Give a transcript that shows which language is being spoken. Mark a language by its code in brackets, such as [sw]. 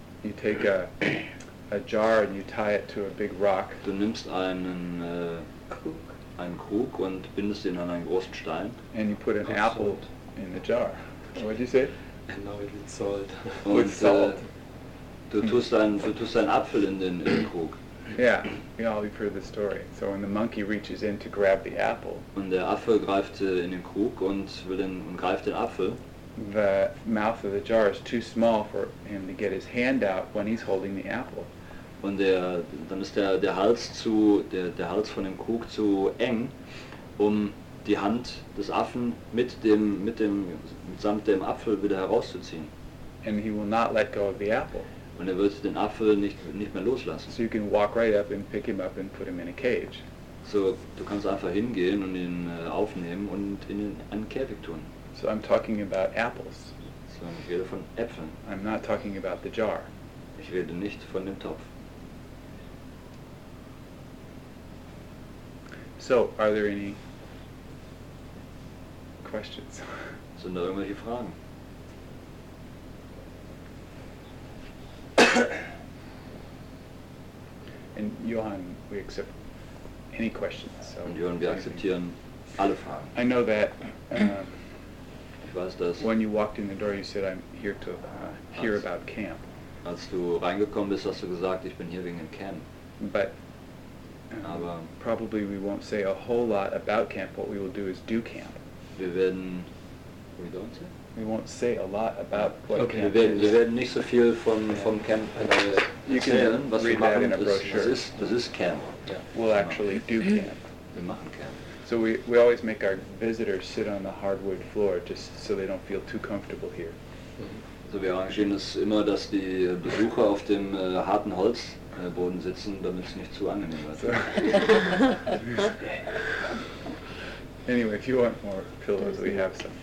[en] You take a jar and you tie it to a big rock. [de] Du nimmst einen Krug und bindest ihn an einen großen Stein. [en] And you put an apple in the jar. What did you say? And now it's salt. With salt. [de] Du tust einen Apfel in den Krug. [en] Yeah, you know, we've heard the story. So when the monkey reaches in to grab the apple. [de] Und der Affe greift in den Krug und greift den Apfel. [en] The mouth of the jar is too small for him to get his hand out when he's holding the apple. [de] Und dann ist der Hals von dem Krug zu eng, um die Hand des Affen mit dem Apfel wieder herauszuziehen. [en] And he will not let go of the apple. [de] Und wird den Apfel nicht mehr loslassen. [en] So you can walk right up and pick him up and put him in a cage. [de] So du kannst einfach hingehen und ihn aufnehmen und in einen Käfig tun. [en] So I'm talking about apples. [de] So ich rede von Äpfeln. [en] I'm not talking about the jar. [de] Ich rede nicht von dem Topf. [en] So, are there any questions? [de] Sind da irgendwelche Fragen? [en] And Johann, we accept any questions. So [de] und Johann, wir akzeptieren alle Fragen. [en] I know that [de] ich weiß, dass [en] when you walked in the door, you said, I'm here to hear about camp. [de] Als du reingekommen bist, hast du gesagt, ich bin hier wegen dem Camp. [en] But [de] aber [en] probably we won't say a whole lot about camp. What we will do is do camp. [de] Wir werden, [en] we don't say? We won't say a lot about what okay. Camp [de] wir werden nicht so viel vom Camp erzählen, was wir machen. Das ist Camp. [en] Yeah. We'll actually do Camp. [de] Wir machen Camp. [en] So we always make our visitors sit on the hardwood floor just so they don't feel too comfortable here. Mm-hmm. [de] Also wir arrangieren es immer, dass die Besucher auf dem harten Holzboden sitzen, damit es nicht zu angenehm wird. [en] Anyway, if you want more pillows, we have some.